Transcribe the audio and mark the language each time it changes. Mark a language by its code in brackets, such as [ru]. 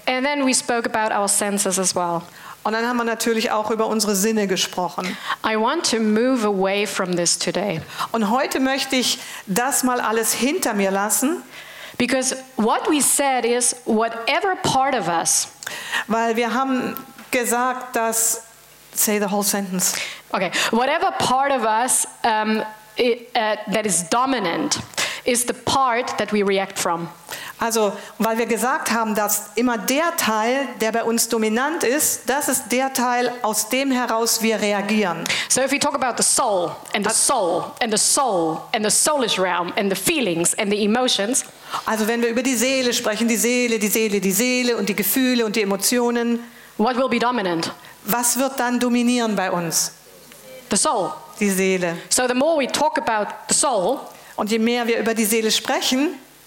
[en] And then we spoke about our senses as well. [de] Und dann haben wir natürlich auch über unsere Sinne gesprochen. [en] I want to move away from this today. [de] Und heute möchte ich das mal alles hinter mir lassen. [en] Because what we said is whatever part of us. [de] Weil wir haben gesagt, dass, [en] say the whole sentence. Okay, whatever part of us that is dominant is the part that we react from. [de] Also, weil wir gesagt haben, dass immer der Teil, der bei uns dominant ist, das ist der Teil, aus dem heraus wir reagieren. [en] So if we talk about the soul and the soul and the soul and the soulish realm and the feelings and the emotions. [de] Also, wenn wir über die Seele sprechen, die Seele und die Gefühle und die Emotionen, [en] what will be dominant? [de] Was wird dann dominieren bei uns? [en] The soul. [de] Die Seele. [en] So the more we talk about the soul, [de] und je mehr wir über die Seele sprechen,